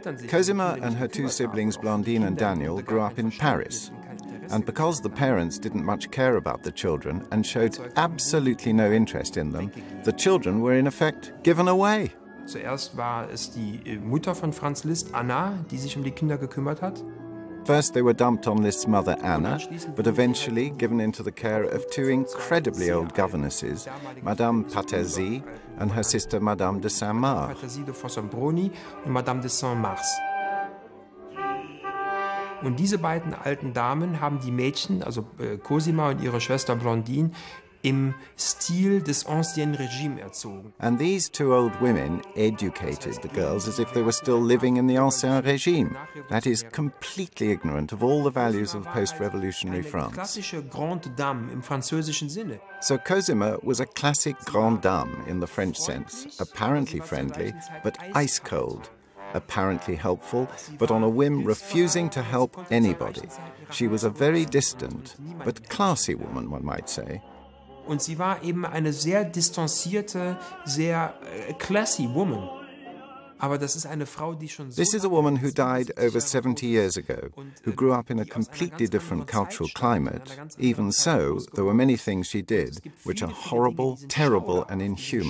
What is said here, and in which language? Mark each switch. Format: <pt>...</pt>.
<en>Cosima and her two siblings, Blondine and Daniel, grew up in Paris. And because the parents didn't much care about the children and showed absolutely no interest in them, the children were in effect given away.</en> <de>Zuerst war es die Mutter von Franz Liszt, Anna, die sich um die Kinder gekümmert hat.</de> <en>First they were dumped on Liszt's mother Anna, but eventually given into the care of two incredibly old governesses, Madame Patersi and her sister Madame de Saint-Mars.</en> <de>Und diese beiden alten Damen haben die Mädchen, also Cosima und ihre Schwester Blondine, im Stil des ancien Regime erzogen.</de> <en>And these two old women educated the girls as if they were still living in the ancien regime, that is, completely ignorant of all the values of post-revolutionary France.</en> <de>Klassische Grande Dame im französischen Sinne.</de> <en>So Cosima was a classic Grande Dame in the French sense, apparently friendly, but ice cold. Apparently helpful, but on a whim refusing to help anybody. She was a very distant, but classy woman, one might say.</en> <de>Und sie war eben eine sehr distanzierte, sehr</de> <en>classy woman.</en> <de>Aber das ist eine Frau, die schon so.</de> <en>This is a woman who died over 70 years ago, who grew up in a completely different cultural climate. Even so, there were many things she did, which are horrible, terrible and inhuman.</en>